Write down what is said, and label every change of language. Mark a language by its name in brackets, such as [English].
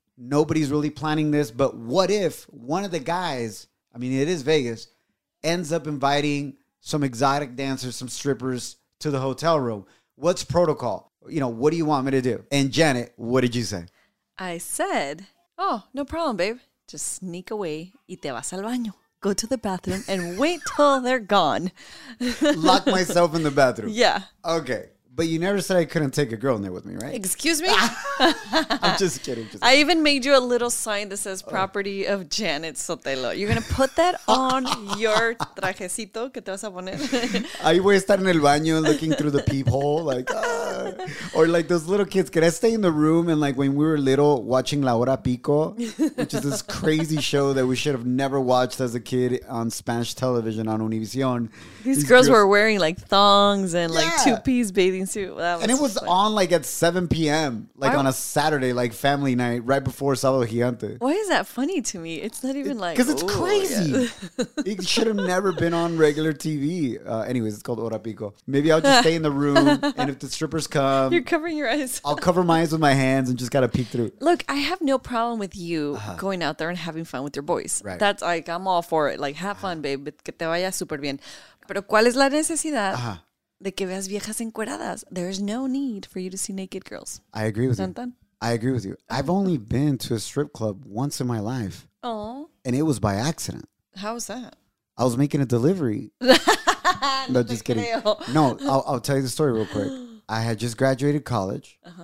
[English] Nobody's really planning this. But what if one of the guys, I mean, it is Vegas, ends up inviting some exotic dancers, some strippers to the hotel room? What's protocol? You know, what do you want me to do? And Janet, what did you say? I said, oh, no problem, babe. Just sneak away [Spanish] y te vas al baño. [English] Go to the bathroom and wait till they're gone. Lock myself in the bathroom. Yeah. Okay. But you never said I couldn't take a girl in there with me, right? Excuse me? I'm just kidding. Just I kidding. Even made you a little sign that says property of Janet Sotelo. You're going to put that on your [Spanish] trajecito que te vas a poner. Ahí voy a estar en el baño [English] looking through the peephole. Or like those little kids. Could I stay in the room? And like when we were little watching La Hora Pico, which is this crazy show that we should have never watched as a kid on Spanish television on Univision. These girls were wearing like thongs and like two-piece bathing. And it was on like at 7 p.m. like on a Saturday, like family night, right before Sábado Gigante. Why is that funny to me? It's not even like, because it's crazy. Yeah. It should have never been on regular TV. Anyways, it's called Hora Pico. Maybe I'll just stay in the room, and if the strippers come, you're covering your eyes. I'll cover my eyes with my hands and just gotta peek through. Look, I have no problem with you going out there and having fun with your boys. Right. That's like, I'm all for it. Like, have fun, babe. [Spanish] Que te vaya super bien. Pero ¿cuál es la necesidad? De que veas viejas encueradas. [English] There's no need for you to see naked girls. I agree with you. I agree with you. I've only been to a strip club once in my life. Oh. And it was by accident. How's that? I was making a delivery. No, just kidding. No, I'll tell you the story real quick. I had just graduated college.